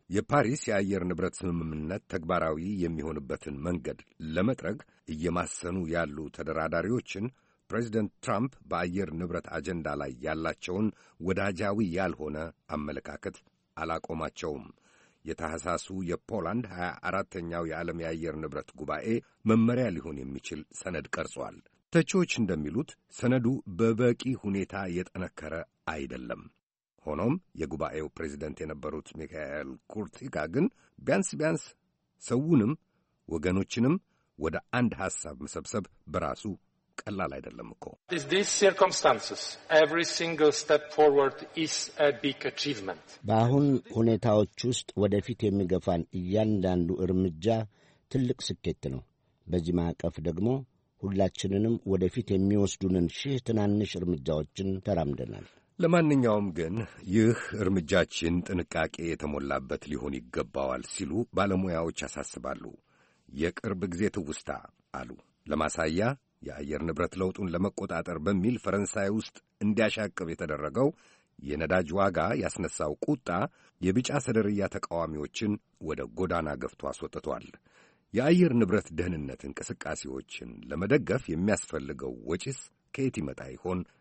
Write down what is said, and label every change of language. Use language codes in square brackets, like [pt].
[am] የፓሪስ የአየር ንብረት ስምምነት ተግባራዊ የሚሆንበትን መንገድ ለመጥረግ እየማሰኑ ያሉ ተደራዳሪዎችን ፕሬዚደንት ትራምፕ በአየር ንብረት አጀንዳ ላይ ያላቸውን ወዳጃዊ ያልሆነ አመለካከት አላቆማቸውም። የታህሳሱ የፖላንድ 24ኛው የዓለም የአየር ንብረት ጉባኤ መመሪያ ሊሆን የሚችል ሰነድ ቀርጿል። ተቾች እንደሚሉት ሰነዱ በበቂ ሁኔታ የተነከረ አይደለም። ሆኖም የጉባኤው ፕሬዚደንት የነበሩት ሚካኤል ኩርቲካ ግን ቢያንስ ሰውንም ወገኖችንም ወደ አንድ ሐሳብ መሰብሰብ በራሱ ቀላል አይደለም እኮ። [en] These circumstances, every single step forward is a big achievement. [am] በአሁን ሁኔታዎች ውስጥ ወደፊት የሚገፋን እያንዳንዱ እርምጃ ትልቅ ስኬት ነው። በዚህ ማዕቀፍ ደግሞ ሁላችንንም ወደፊት የሚወስዱንን ሺህ ትናንሽ እርምጃዎችን ተራምደናል። ለማንኛውም ግን ይህ እርምጃችን ጥንቃቄ የተሞላበት ሊሆን ይገባዋል ሲሉ ባለሙያዎች አሳስባሉ። የቅርብ ጊዜ ትውስታ አሉ። ለማሳያ የአየር ንብረት ለውጡን ለመቆጣጠር በሚል ፈረንሳይ ውስጥ እንዲያሻቅብ የተደረገው የነዳጅ ዋጋ ያስነሳው ቁጣ የቢጫ ሰደርያ ተቃዋሚዎችን ወደ ጎዳና ገፍቶ አስወጥቷል። የአየር ንብረት ደህንነት እንቅስቃሴዎችን ለመደገፍ የሚያስፈልገው ወጪስ ከየት ይመጣ ይሆን?